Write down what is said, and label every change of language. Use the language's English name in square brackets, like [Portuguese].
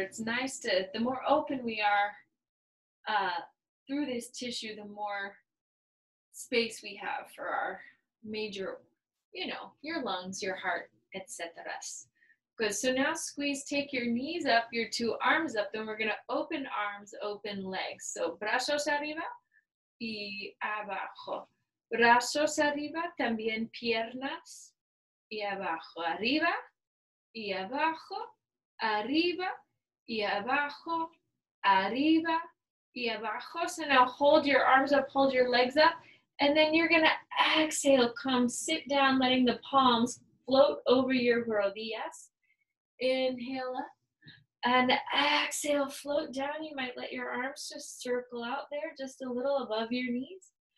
[English] It's nice to, the more open we are through this tissue, the more space we have for our major, you know, your lungs, your heart, etc. Good. So now squeeze, take your knees up, your two arms up, then we're going to open arms, open legs. [Spanish] So brazos arriba y abajo. Brazos arriba, también piernas y abajo. Arriba y abajo. Arriba y abajo, arriba y abajo. [English] So now hold your arms up, hold your legs up, and then you're gonna exhale, come sit down, letting the palms float over your rodillas. Inhale up and exhale, float down. You might let your arms just circle out there just a little above your knees.